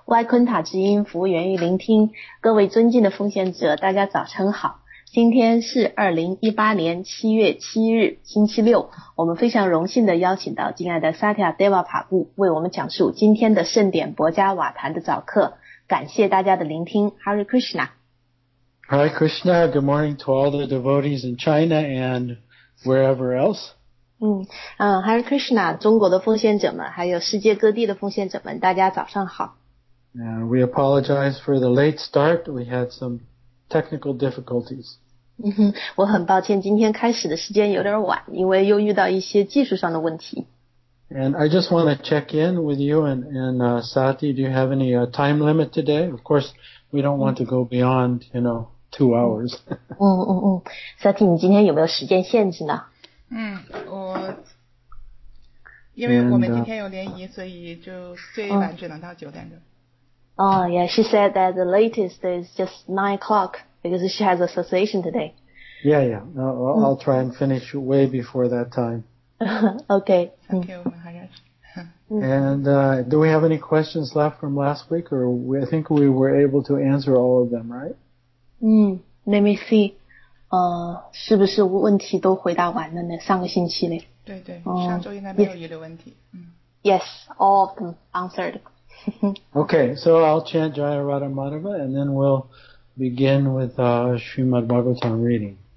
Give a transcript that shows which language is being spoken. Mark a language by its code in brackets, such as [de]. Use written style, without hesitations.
[zh] 歪昆塔之音服务员与聆听，各位尊敬的奉献者，大家早晨好。今天是2018年7月7日星期六，我们非常荣幸的邀请到敬爱的 Satya Deva 帕布为我们讲述今天的盛典博加瓦坛的早课，感谢大家的聆听。 [sa] Hare Krishna [en] Hare Krishna, good morning to all the devotees in China and wherever else. [zh] Hare Krishna, 中国的奉献者们还有世界各地的奉献者们，大家早上好。 [en] We apologize for the late start. We had some technical difficulties. [zh] 我很抱歉，今天开始的时间有点晚，因为又遇到一些技术上的问题。 [en] And I just want to check in with you and Sati. Do you have any time limit today? Of course, we don't want to go beyond, you know, 2 hours. [zh] Sati, 你今天有没有时间限制呢？我因为我们今天有联谊，所以就最晚只能到9点钟。 [en] Oh, yeah, she said that the latest is just 9 o'clock because she has association today. I'll try and finish way before that time. Okay. Thank you, Maharaj. And do we have any questions left from last week? I think we were able to answer all of them, right? Let me see. [zh] 是不是问题都回答完了呢？上个星期呢？对对，上周应该没有遗留问题。 [en] Yes, all of them answered. Okay, so I'll chant Jaya Radha Madhava and then we'll begin with Srimad Bhagavatam reading.